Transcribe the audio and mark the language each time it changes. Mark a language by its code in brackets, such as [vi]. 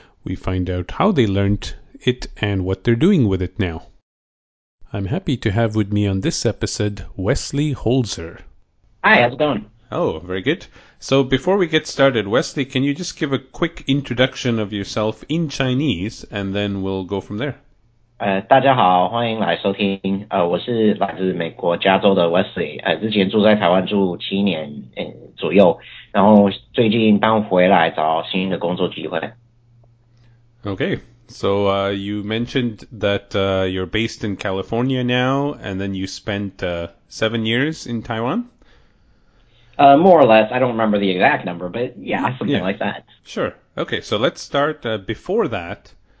[en] We find out how they learned it and what they're doing with it now. I'm happy to have with me on this episode, Wesley Holzer. Hi, how's it going? Oh, very good. So before we get started, Wesley, can you just give a quick introduction of yourself in Chinese, and then we'll go from there? [zh] 大家好, 欢迎来收听, 我是来自美国加州的Wesley, 之前住在台湾住七年, 左右, 然后最近刚回来找新的工作机会。 [en] Okay, so you mentioned that you're based in California now, and then you spent 7 years in Taiwan? More or less, I don't remember the exact number, but yeah, something like that. Sure. Okay, so let's start before that.